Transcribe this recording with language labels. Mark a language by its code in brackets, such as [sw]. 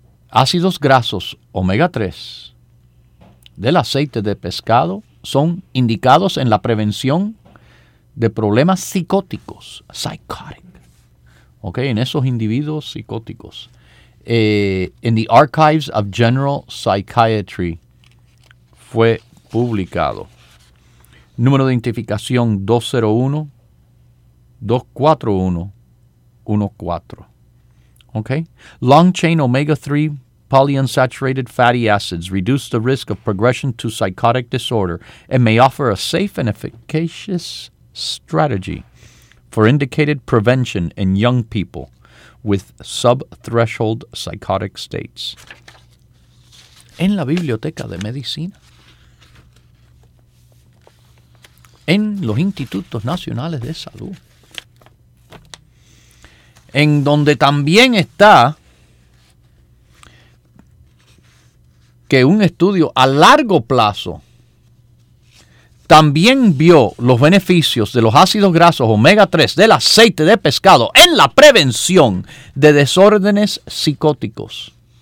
[es] ácidos grasos omega 3 del aceite de pescado son indicados en la prevención de problemas psicóticos, [en] psychotic, okay, [es] en esos individuos psicóticos. [en] In the Archives of General Psychiatry [es] fue publicado. Número de identificación 201-241-14. [en] Okay. Long chain omega-3 polyunsaturated fatty acids reduce the risk of progression to psychotic disorder and may offer a safe and efficacious strategy for indicated prevention in young people with sub-threshold psychotic states. [es] En la biblioteca de medicina, en los institutos nacionales de salud, en donde también está que un estudio a largo plazo también vio los beneficios de los ácidos grasos omega 3 del aceite de pescado en la prevención de desórdenes psicóticos.